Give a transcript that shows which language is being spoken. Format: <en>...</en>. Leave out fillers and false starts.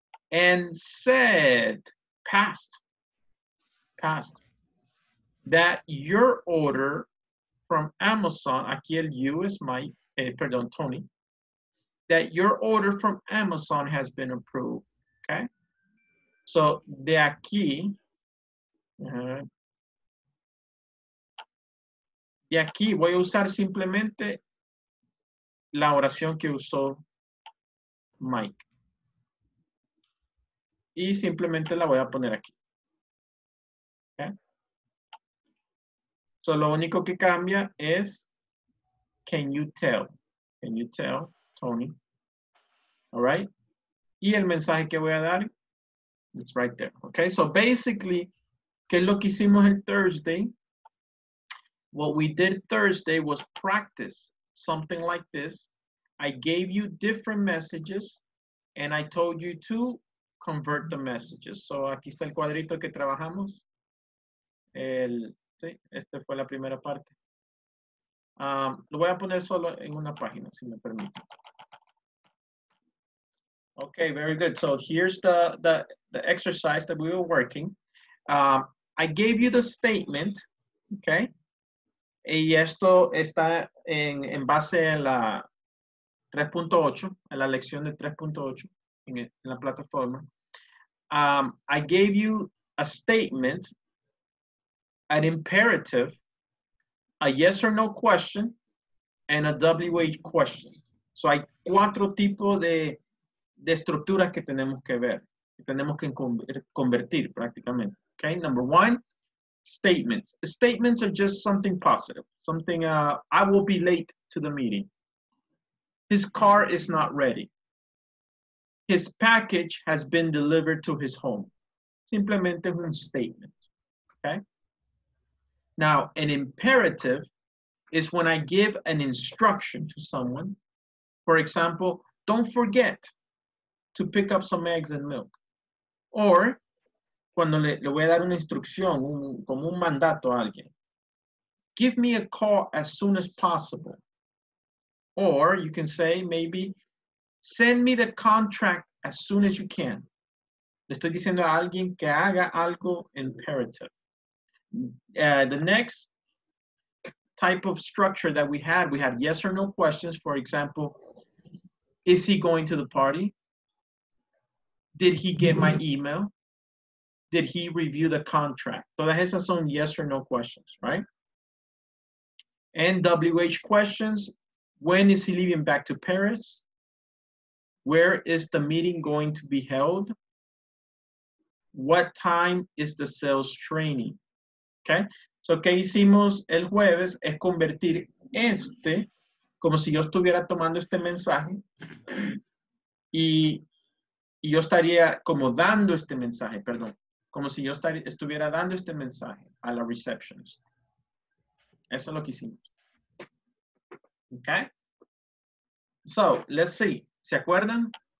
<en>And said, past, that your order from Amazon,</en> <es>aquí el</es> <en>you is Tony, that your order from Amazon has been approved.</en> <es>Okay. So de aquí. De aquí voy a usar simplemente la oración que usó Mike. Y simplemente la voy a poner aquí. Okay. So lo único que cambia es</es> <en>can you tell, Tony? All right.</en> <es>Y el mensaje que voy a dar,</es> <en>it's right there. Okay, so basically,</en> <es>¿qué es lo que hicimos el Thursday?</es> <en>What we did Thursday was practice something like this. I gave you different messages and I told you to convert the messages.</en> <es>So aquí está el cuadrito que trabajamos. El, sí, este fue la primera parte. Lo voy a poner solo en una página, si me permite.</es> <en>Okay, very good. So here's the exercise that we were working. I gave you the statement, okay?</en> <es>Y esto está en base a la 3.8, a la lección de 3.8 en la plataforma.</es> <en>I gave you a statement, an imperative, a yes or no question, and a WH question.</en> <es>So hay cuatro tipos de estructuras que tenemos que ver, que tenemos que convertir prácticamente.</es> <en>Okay, number one, statements. Statements are just something positive. Something, I will be late to the meeting. His car is not ready. His package has been delivered to his home.</en> <es>Simplemente un</es> <en>statement, okay? Now, an imperative is when I give an instruction to someone. For example, don't forget to pick up some eggs and milk.</en> <es>Or, cuando le voy a dar una instrucción, como un mandato a alguien.</es> <en>Give me a call as soon as possible. Or you can say maybe, send me the contract as soon as you can.</en> <es>Le estoy diciendo a alguien que haga algo imperative.</es> <en>The next type of structure that we had yes or no questions. For example, is he going to the party? Did he get my email? Did he review the contract? So that has some yes or no questions, right? And WH questions, when is he leaving back to Paris? Where is the meeting going to be held? What time is the sales training?</en> <es>Okay, so que hicimos el jueves es convertir este, como si yo estuviera tomando este mensaje, y yo estaría como dando este mensaje, perdón. Como si yo estuviera dando este mensaje a la receptionist. Eso es lo que hicimos.</es> <en>Okay? So, let's see.</en> <es>¿Se acuerdan?</es>